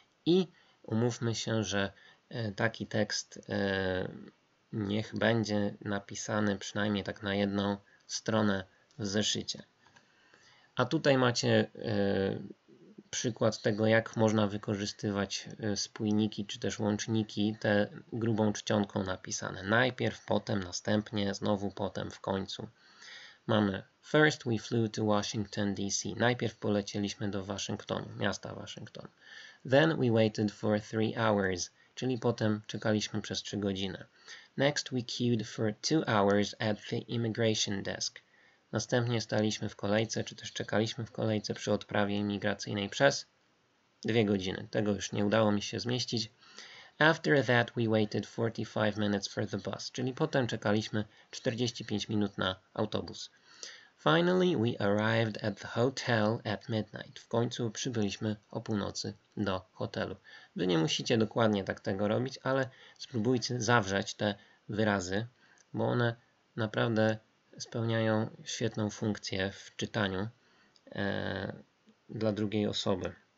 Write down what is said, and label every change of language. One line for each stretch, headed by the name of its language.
Polish: I umówmy się, że taki tekst niech będzie napisany przynajmniej tak na jedną stronę w zeszycie. A tutaj macie przykład tego, jak można wykorzystywać spójniki czy też łączniki, te grubą czcionką napisane. Najpierw, potem, następnie, znowu potem, w końcu. Mamy
English: first we flew to Washington DC.
Polish: Najpierw polecieliśmy do Waszyngtonu, miasta Waszyngton.
English: Then we waited for 3 hours,
Polish: czyli potem czekaliśmy przez 3 godziny.
English: Next we queued for 2 hours at the immigration desk.
Polish: Następnie staliśmy w kolejce, czy też czekaliśmy w kolejce przy odprawie imigracyjnej przez 2 godziny. Tego już nie udało mi się zmieścić.
English: After that we waited 45 minutes for the bus,
Polish: czyli potem czekaliśmy 45 minut na autobus.
English: Finally we arrived at the hotel at midnight.
Polish: W końcu przybyliśmy o północy do hotelu. Wy nie musicie dokładnie tak tego robić, ale spróbujcie zawrzeć te wyrazy, bo one naprawdę spełniają świetną funkcję w czytaniu dla drugiej osoby.